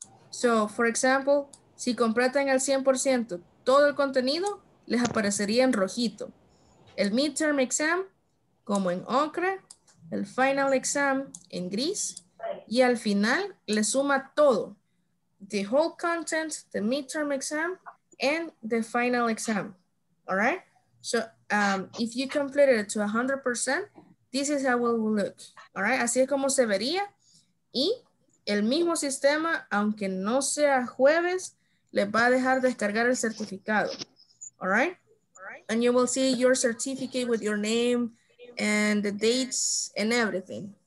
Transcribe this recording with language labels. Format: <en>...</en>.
<en>So, for example,</en> <es>si completan al 100% todo el contenido, les aparecería en rojito. El midterm exam, como en ocre, el final exam, en gris, y al final le suma todo.</es> <en>The whole content, the midterm exam, and the final exam. All right? So, if you completed it to 100%, this is how it will look. All right?</en> <es>Así es como se vería. Y el mismo sistema, aunque no sea jueves, les va a dejar descargar el certificado.</es> <en>All right? And you will see your certificate with your name and the dates and everything.</en>